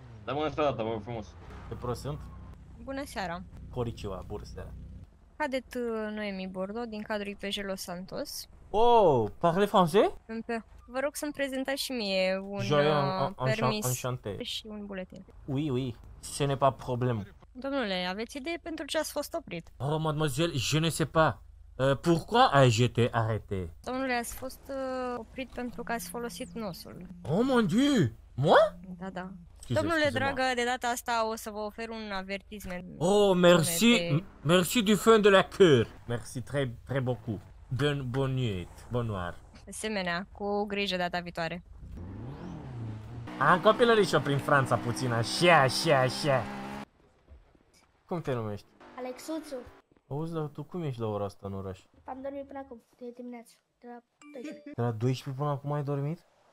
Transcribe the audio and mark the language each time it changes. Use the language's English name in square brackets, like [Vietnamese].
[Romanian] Da, bună seara, vă rog frumos. Ce prost sunt? Bună seara. Coriciua, bună seara. Cadet Noemi Bordeaux din cadrul IPJ Los Santos. [French] Oh, parle français? [Romanian] Vă rog să-mi prezentați și mie un permis și un buletin. [French] Oui, oui, ce n'est pas problème. [Romanian] Domnule, aveți idee pentru ce ați fost oprit? [French] Oh, mademoiselle, je ne sais pas. Pourquoi ai-je été arrêté? [Romanian] Domnule, ați fost oprit pentru că ați folosit nosul. [French] Oh, mon dieu! Moi? [Romanian] Da, da. Domnule, dragă, de data asta o să vă ofer un avertisment. [French] Oh, merci, merci du fond de la cœur. Merci très, très beaucoup. Bonne, bonne nuit, bonne noir. [Romanian] Asemenea, cu grijă data viitoare. Am copilărit-o prin Franța puțin, așa, așa, așa. Cum te numești? Alexuțu. Auzi, dar tu cum ești la ora asta în oraș? Am dormit până acum, de dimineață, de la 12. De la 12 până acum ai dormit?